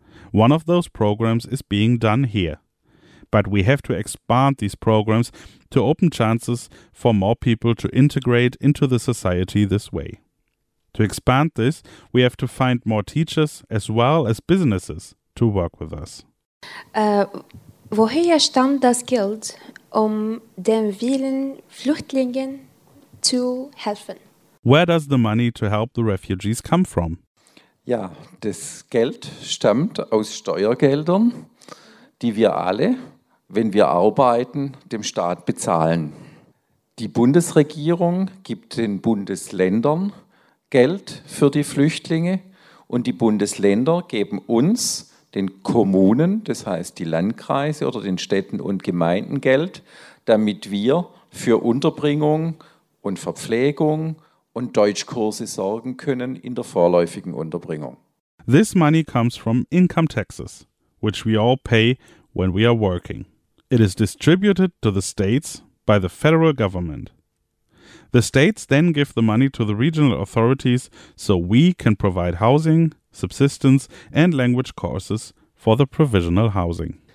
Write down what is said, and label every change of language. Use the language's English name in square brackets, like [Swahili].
[English] One of those programs is being done here. But we have to expand these programs to open chances for more people to integrate into the society this way. To expand this, we have to find more teachers as well as businesses to work with us. [German] Woher stammt das Geld, um den vielen Flüchtlingen zu helfen? [English] Where does the money to help the refugees come from? [German] Ja, das Geld stammt aus Steuergeldern, die wir alle, wenn wir arbeiten, dem Staat bezahlen. Die Bundesregierung gibt den Bundesländern Geld für die Flüchtlinge und die Bundesländer geben uns, den Kommunen, das heißt die Landkreise oder den Städten und Gemeinden, Geld, damit wir für Unterbringung und Verpflegung und Deutschkurse sorgen können in der vorläufigen Unterbringung. [English] This money comes from income taxes, which we all pay when we are working. It is distributed to the states by the federal government. The states then give the money to the regional authorities so we can provide housing, subsistence and language courses for the provisional housing.